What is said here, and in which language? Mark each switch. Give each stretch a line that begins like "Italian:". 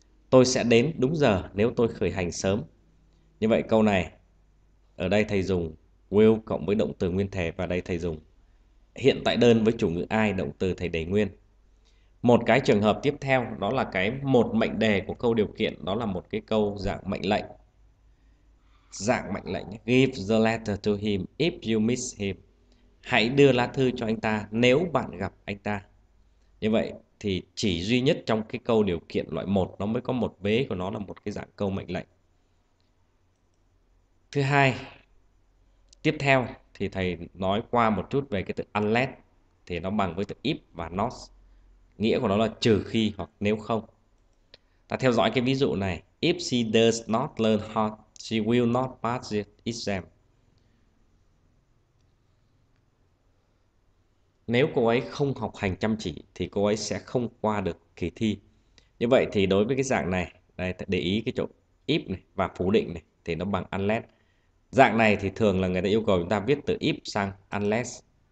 Vietnamese: Tôi sẽ đến đúng giờ nếu tôi khởi hành sớm. Như vậy câu này ở đây thầy dùng will cộng với động từ nguyên thể, và đây thầy dùng hiện tại đơn với chủ ngữ I, động từ thầy để nguyên. Một cái trường hợp tiếp theo đó là cái một mệnh đề của câu điều kiện, đó là một cái câu dạng mệnh lệnh.
English: Give the letter to him if you miss him.
Vietnamese: Hãy đưa lá thư cho anh ta nếu bạn gặp anh ta. Như vậy thì chỉ duy nhất trong cái câu điều kiện loại 1 nó mới có một vế của nó là một cái dạng câu mệnh lệnh. Thứ hai, tiếp theo thì thầy nói qua một chút về cái từ unless, thì nó bằng với từ if và not, nghĩa của nó là trừ khi hoặc nếu không. Ta theo dõi cái ví dụ này.
English: If she does not learn hard, she will not pass the exam.
Vietnamese: Nếu cô ấy không học hành chăm chỉ thì cô ấy sẽ không qua được kỳ thi. Như vậy thì đối với cái dạng này, đây để ý cái chỗ if này và phủ định này thì nó bằng unless. Dạng này thì thường là người ta yêu cầu chúng ta viết từ if sang unless.